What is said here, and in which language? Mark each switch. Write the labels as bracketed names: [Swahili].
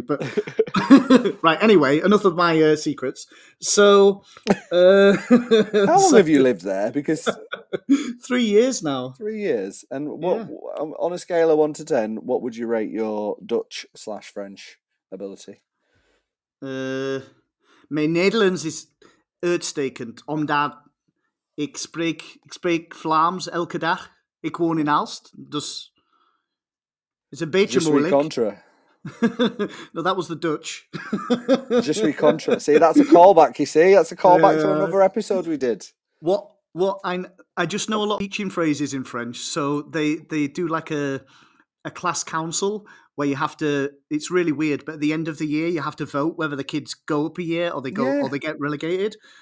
[English] But right, anyway, enough of my secrets. So how long have you lived there? Because 3 years now. 3 years. And what on a scale of 1 to 10, what would you rate your Dutch / French ability? [Dutch] My Nederlands is uitstekend. Omdat ik spreek Vlaams elke dag. Ik woon in Alst. Dus [English] it's a [Dutch] beetje moeilijk. [English] Just contra. No, that was the Dutch. Just we contra. See, that's a callback, you see? That's a callback to another episode we did. What? I just know a lot of teaching phrases in French. So they do like a class council where you have to, it's really weird, but at the end of the year, you have to vote whether the kids go up a year or or they get relegated.